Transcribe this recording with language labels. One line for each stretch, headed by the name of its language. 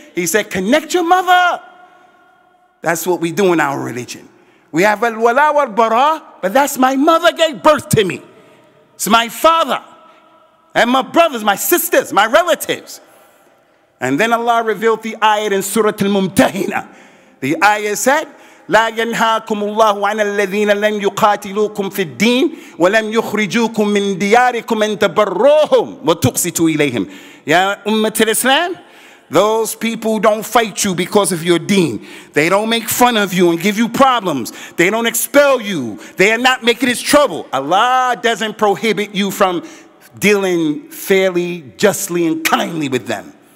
English: He said, connect your mother. That's what we do in our religion. We have al-wala wal-bara, but that's my mother gave birth to me. It's my father and my brothers, my sisters, my relatives. And then Allah revealed the ayat in Surah Al-Mumtahina. The ayat said,
Arabic: لَا يَنْهَاكُمُ اللَّهُ عَنَ الَّذِينَ لَمْ يُقَاتِلُوكُمْ فِي الدِّينِ وَلَمْ يُخْرِجُوكُمْ مِنْ دِيَارِكُمْ أَنْ تَبَرُّوهُمْ وَتُقْسِتُوا إِلَيْهِمْ.
English: Ya Ummat al-Islam, those people don't fight you because of your deen. They don't make fun of you and give you problems. They don't expel you. They are not making us trouble. Allah doesn't prohibit you from dealing fairly, justly, and kindly with them.